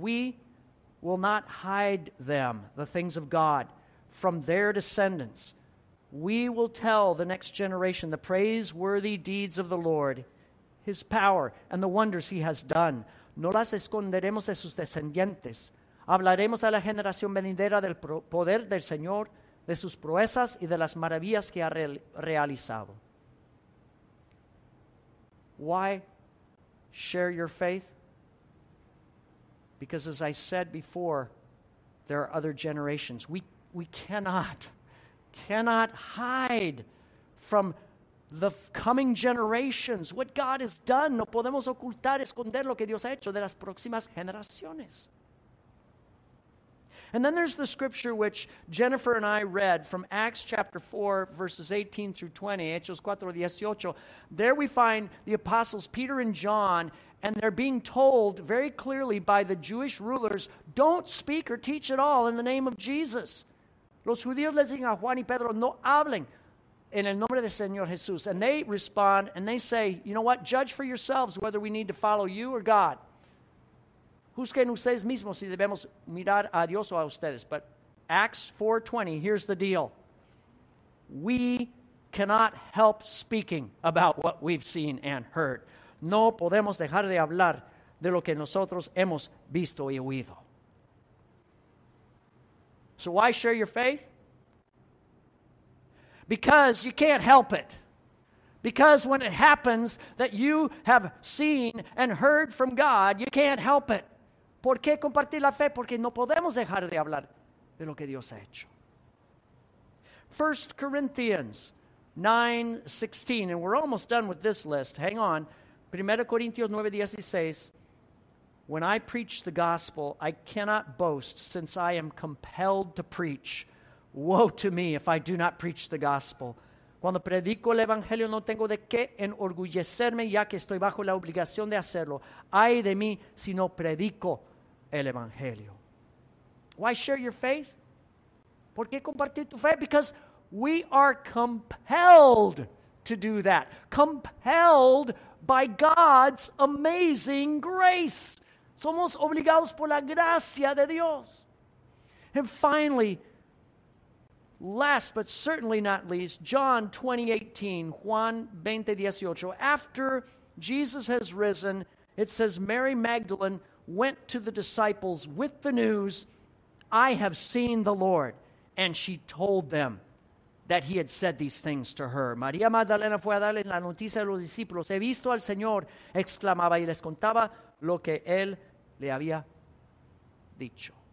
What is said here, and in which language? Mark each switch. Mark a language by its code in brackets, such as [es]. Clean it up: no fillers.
[en] We will not hide them, the things of God, from their descendants. We will tell the next generation the praiseworthy deeds of the Lord, his power, and the wonders he has done. [es] No las esconderemos de sus descendientes. Hablaremos a la generación venidera del poder del Señor, de sus proezas y de las maravillas que ha realizado. [en] Why share your faith? Because as I said before, there are other generations. We cannot hide from the coming generations what God has done. [es] No podemos ocultar, esconder lo que Dios ha hecho de las próximas generaciones. [en] And then there's the scripture which Jennifer and I read from Acts chapter 4, verses 18 through 20, Hechos 4, 18. There we find the apostles Peter and John, and they're being told very clearly by the Jewish rulers, don't speak or teach at all in the name of Jesus. [es] Los judíos les dicen a Juan y Pedro, no hablen en el nombre del Señor Jesús. [en] And they respond, and they say, you know what, judge for yourselves whether we need to follow you or God. [es] Juzguen ustedes mismos si debemos mirar a Dios o a ustedes. [en] But Acts 4:20, here's the deal. We cannot help speaking about what we've seen and heard. [es] No podemos dejar de hablar de lo que nosotros hemos visto y oído. [en] So why share your faith? Because you can't help it. Because when it happens that you have seen and heard from God, you can't help it. [es] ¿Por qué compartir la fe? Porque no podemos dejar de hablar de lo que Dios ha hecho. [en] 1 Corinthians 9:16, and we're almost done with this list. Hang on. 1 Corinthians 9:16, when I preach the gospel, I cannot boast since I am compelled to preach, Woe to me if I do not preach the gospel. [es] Cuando predico el evangelio no tengo de qué enorgullecerme ya que estoy bajo la obligación de hacerlo. Ay de mí si no predico el evangelio. [en] Why share your faith? [es] ¿Por qué compartir tu fe? [en] Because we are compelled to do that. Compelled by God's amazing grace. [es] Somos obligados por la gracia de Dios. [en] And finally, last but certainly not least, John 20:18, Juan 20:18. After Jesus has risen, it says, Mary Magdalene went to the disciples with the news, I have seen the Lord. And she told them that he had said these things to her. [es] María Magdalena fue a darle la noticia a los discípulos. He visto al Señor, exclamaba y les contaba lo que él le había dicho.